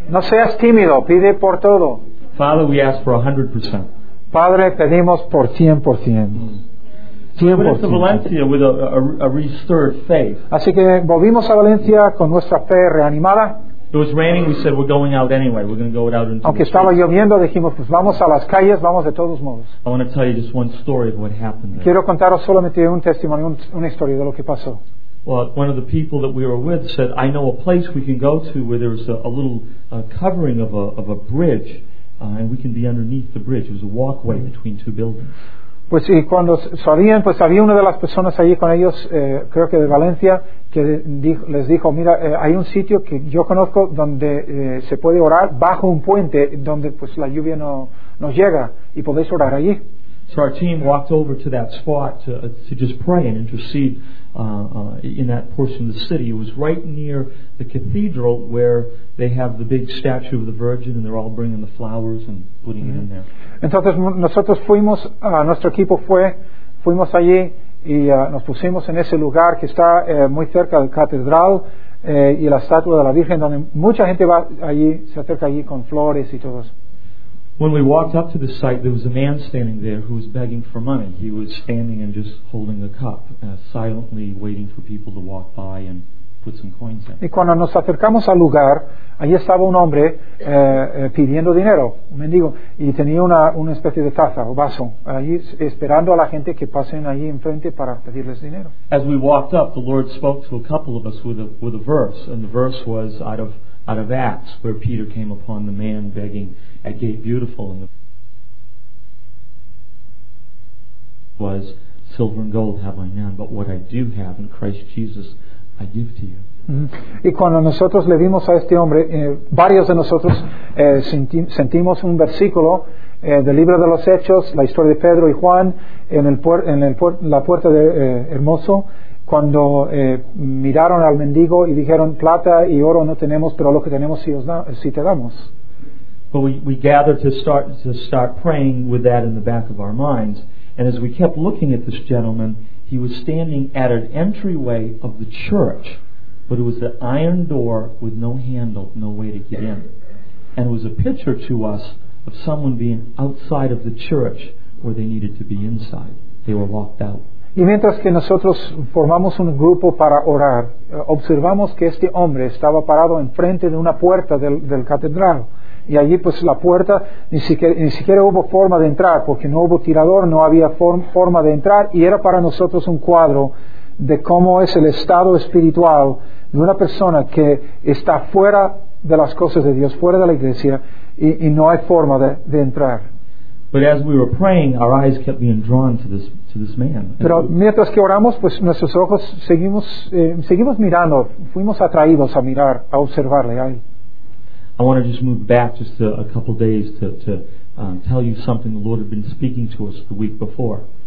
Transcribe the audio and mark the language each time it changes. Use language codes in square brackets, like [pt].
[es] No seas tímido. Pide por todo. [en] Father, we ask for 100%. [es] Padre, pedimos por 100%. Vamos a [en] Valencia with a restored faith. [es] Así que volvimos a Valencia con nuestra fe reanimada. [en] It was raining, we said we're going out anyway. We're going to go out into the streets. [es] Aunque estaba lloviendo, dijimos pues vamos a las calles, vamos de todos modos. [en] I want to tell you just one story of what happened there. [es] Quiero contaros solamente un testimonio, una historia de lo que pasó. [en] Well, one of the people that we were with said, "I know a place we can go to where there's a little covering of a bridge, and we can be underneath the bridge. It was a walkway between two buildings." [es] Pues y cuando salían, pues había una de las personas allí con ellos, creo que de Valencia, que les dijo, mira, hay un sitio que yo conozco donde se puede orar bajo un puente donde pues la lluvia no nos llega, y podéis orar allí. [en] So our team walked over to that spot to just pray and intercede in that portion of the city. It was right near the cathedral where they have the big statue of the Virgin, and they're all bringing the flowers and putting it in there. [es] Entonces nosotros fuimos, nuestro equipo fuimos allí y nos pusimos en ese lugar que está muy cerca del catedral y la estatua de la Virgen, donde mucha gente va allí, se acerca allí con flores y todo. [en] When we walked up to the site, there was a man standing there who was begging for money. He was standing and just holding a cup, silently waiting for people to walk by and put some coins in. [es] Y cuando nos acercamos al lugar, allí estaba un hombre pidiendo dinero, un mendigo, y tenía una especie de taza o vaso allí esperando a la gente que pasen allí enfrente para pedirles dinero. [en] As we walked up, the Lord spoke to a couple of us with a verse, and the verse was out of Acts, where Peter came upon the man begging at Gate Beautiful, and the was, "Silver and gold have I none, but what I do have in Christ Jesus I give to you." [es] Y cuando nosotros le vimos a este hombre, varios de nosotros sentimos un versículo del libro de los Hechos, la historia de Pedro y Juan en la puerta de Hermoso, cuando miraron al mendigo y dijeron, "Plata y oro no tenemos, pero lo que tenemos sí te damos." [en] But we gathered to start praying with that in the back of our minds, and as we kept looking at this gentleman, he was standing at an entryway of the church, but it was an iron door with no handle, no way to get in. And it was a picture to us of someone being outside of the church where they needed to be inside. They were locked out. [es] Y mientras que nosotros formamos un grupo para orar, observamos que este hombre estaba parado enfrente de una puerta del catedral. Y allí pues la puerta ni siquiera hubo forma de entrar, porque no hubo tirador, no había forma de entrar, y era para nosotros un cuadro de cómo es el estado espiritual de una persona que está fuera de las cosas de Dios, fuera de la iglesia, y no hay forma de entrar. [en] But as we were praying, our eyes kept being drawn to this man. [es] Pero mientras que oramos, pues nuestros ojos seguimos mirando, fuimos atraídos a mirar, a observarle ahí. [en] I want to just move back just a couple days to tell you something the Lord had been speaking to us the week before.